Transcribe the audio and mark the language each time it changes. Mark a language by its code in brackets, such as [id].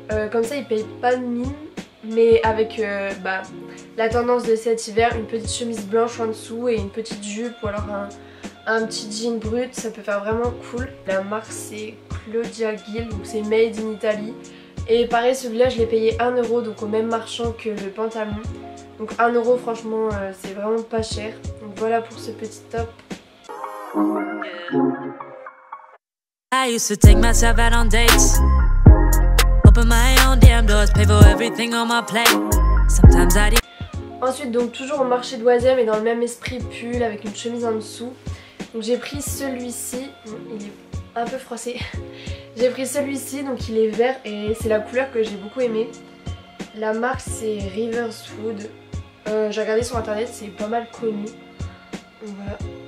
[fr] Comme ça il paye pas de mine, mais avec la tendance de cet hiver, une petite chemise blanche en dessous et une petite jupe ou alors un petit jean brut, ça peut faire vraiment cool. La marque c'est Claudia Gill, donc c'est [en] made in Italy. [fr] Et pareil, celui-là, je l'ai payé 1€, donc au même marchand que le pantalon. Donc 1€, franchement, c'est vraiment pas cher. Donc voilà pour ce petit top. [en] I used to take myself out on dates. Open my own damn doors, pay for everything on my plate. Sometimes I did. [fr] Ensuite, donc toujours au marché d'Oisem et dans le même esprit, pull avec une chemise en dessous. Donc j'ai pris celui-ci. Il est un peu froissé. J'ai pris celui-ci, donc il est vert et c'est la couleur que j'ai beaucoup aimée. La marque c'est Riverswood. J'ai regardé sur internet, c'est pas mal connu. Voilà.